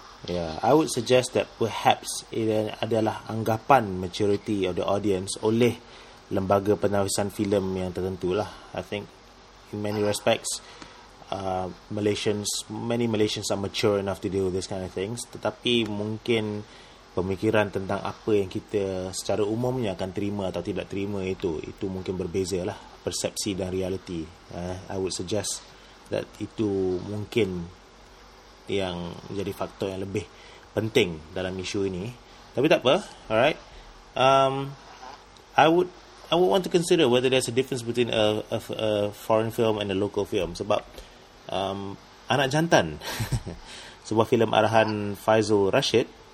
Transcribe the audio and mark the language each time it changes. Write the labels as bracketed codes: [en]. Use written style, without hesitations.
[en] Yeah, I would suggest that perhaps [ms] ia adalah anggapan [en] maturity of the audience [ms] oleh lembaga penawisan filem yang tertentu lah. [en] I think in many respects, many Malaysians are mature enough to deal with this kind of things. [ms] Tetapi mungkin pemikiran tentang apa yang kita secara umumnya akan terima atau tidak terima itu mungkin berbeza lah. Persepsi dan realiti. [en] I would suggest that [ms] itu mungkin yang menjadi faktor yang lebih penting dalam isu ini. Tapi tak apa, [en] alright. I would want to consider whether there's a difference between a foreign film and a local film. [ms] Sebab Anak Jantan, sebuah filem arahan Faizul Rashid.